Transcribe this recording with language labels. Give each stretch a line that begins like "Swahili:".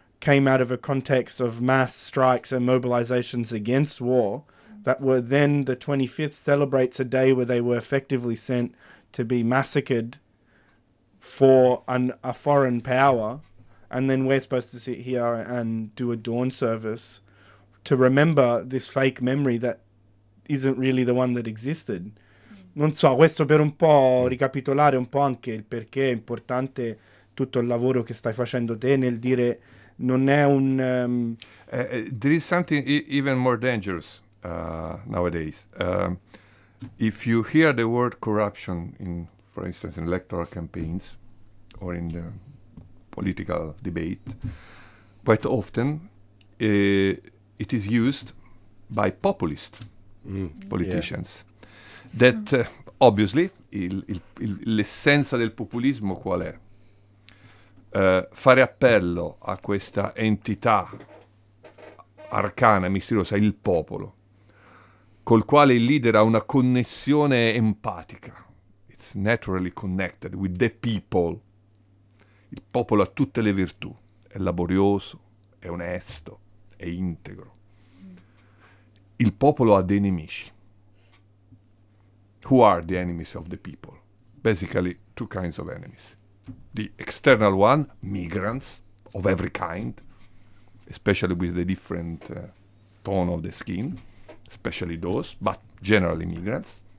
English: came out of a context of mass strikes and mobilizations against war that were then the 25th celebrates a day where they were effectively sent to be massacred for a foreign power. And then we're supposed to sit here and do a dawn service to remember this fake memory that isn't really the one that existed.
Italian: Non so, questo per un po' ricapitolare un po' anche il perché è importante tutto il lavoro che stai facendo te nel dire non è un...
English: There is something even more dangerous nowadays. If you hear the word corruption, for instance, in electoral campaigns or in the political debate, quite often it is used by populist politicians. Yeah. That obviously
Italian: l'essenza del populismo qual è? Fare appello a questa entità arcana, misteriosa, il popolo, col quale il leader ha una connessione empatica.
English: It's naturally connected with the people.
Italian: Il popolo ha tutte le virtù, è laborioso, è onesto, è integro. Il popolo ha dei nemici.
English: Who are the enemies of the people? Basically, two kinds of enemies. The external one, migrants of every kind, especially with the different tone of the skin, especially those, but generally migrants.